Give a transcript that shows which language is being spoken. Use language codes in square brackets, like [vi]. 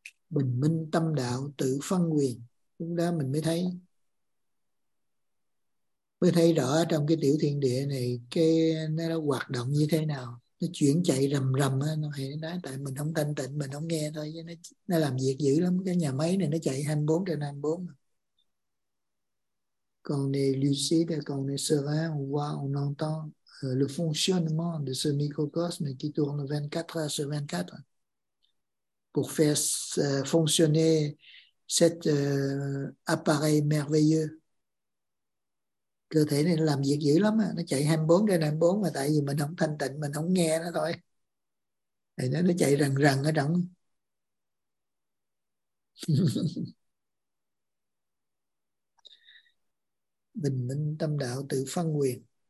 [vi] Bình minh tâm đạo tự phân quyền. Lúc đó mình mới thấy. Mới thấy rõ trong cái tiểu thiên địa này cái nó hoạt động như thế nào. Nó chuyển chạy rầm rầm, nó hay nói tại mình không thanh tịnh, mình không nghe thôi, chứ nó làm việc dữ lắm. Cái nhà máy này nó chạy 24/24. [fr] Quand on est lucide, quand on est serein, on voit, on entend le fonctionnement de ce microcosme qui tourne 24/24. Pour faire fonctionner cet appareil merveilleux. [vi] Cơ thể này nó làm việc dữ lắm, nó chạy 24/24 mà tại vì mình không thanh tịnh, mình không nghe nó thôi. Thì nó chạy rần rần ở trong. Bình minh tâm đạo tự phân quyền.